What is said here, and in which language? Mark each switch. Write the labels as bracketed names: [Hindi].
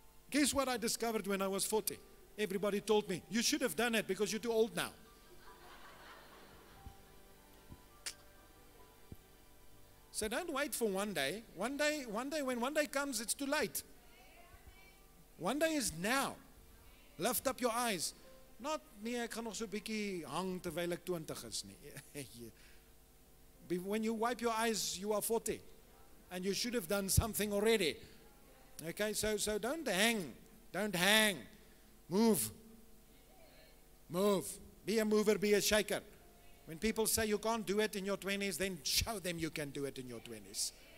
[English] Guess what I discovered when I was 40? Everybody told me, you should have done it because you're too old now. So don't wait for one day. One day comes, it's too late. One day is now. Lift up your eyes. [Afrikaans] Not, nee, ek gaan nog so 'n bietjie hang terwyl ek 20 is nie. [English] When you wipe your eyes, you are 40. And you should have done something already. Okay, so don't hang. Don't hang. Move. Be a mover, be a shaker. When people say you can't do it in your 20s, then show them you can do it in your 20s.